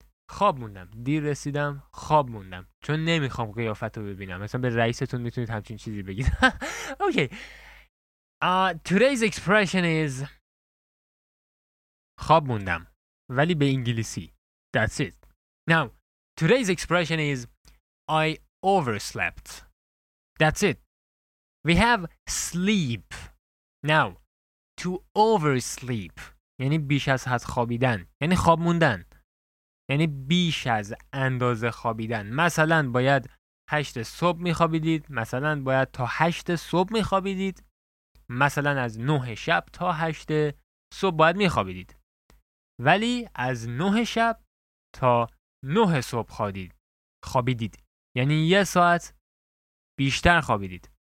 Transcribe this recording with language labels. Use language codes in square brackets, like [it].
[fa] خواب موندم، دیر رسیدم، خواب موندم، چون نمیخوام قیافت رو ببینم. مثلا به رئیستون میتونید همچین چیزی بگید. اوکی. [en] Today's expression is [fa] خواب موندم، ولی به انگلیسی. [en] That's it. Now, today's expression is I overslept. That's it. We have sleep. Now, to oversleep [fa] یعنی بیش از حد خوابیدن، یعنی خواب موندن، یعنی بیش از اندازه خوابیدن. مثلا باید 8 صبح میخوابیدید، مثلا باید تا 8 صبح میخوابیدید، مثلا از 9 شب تا 8 صبح باید میخوابیدید، ولی از 9 شب تا 9 صبح خوابیدید، یعنی یه ساعت بیشتر خوابیدید.